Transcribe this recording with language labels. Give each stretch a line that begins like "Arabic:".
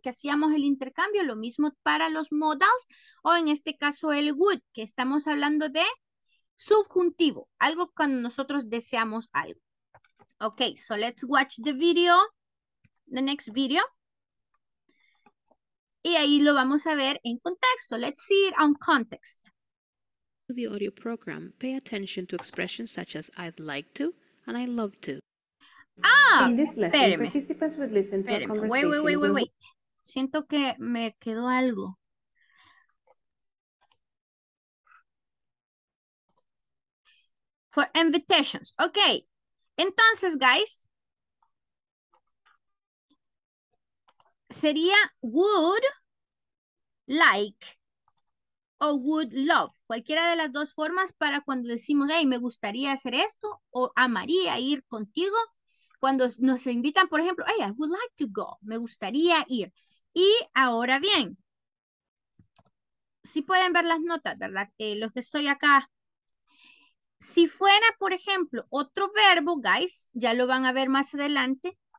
Spanish: Que hacíamos el intercambio, lo mismo para los modals, o en este caso el would, que estamos hablando de subjuntivo, algo cuando nosotros deseamos algo.
English: Okay, so let's watch the next video.
Spanish: Y ahí lo vamos a ver en contexto.
English: Let's see it on context. To the audio program, pay attention to expressions such as I'd like to and I love to. Ah, in this lesson, participants would listen to a conversation.
Spanish: Wait. Siento que me quedó algo.
English: For invitations. Ok.
Spanish: Entonces, guys, sería would like o would love. Cualquiera de las dos formas para cuando decimos, hey, me gustaría hacer esto o amaría ir contigo. cuando nos invitan, por ejemplo,
English: hey, I would like to go,
Spanish: me gustaría ir. Y ahora bien, si pueden ver las notas, ¿verdad? Los que estoy acá. Si fuera, por ejemplo, otro verbo, guys, ya lo van a ver más adelante.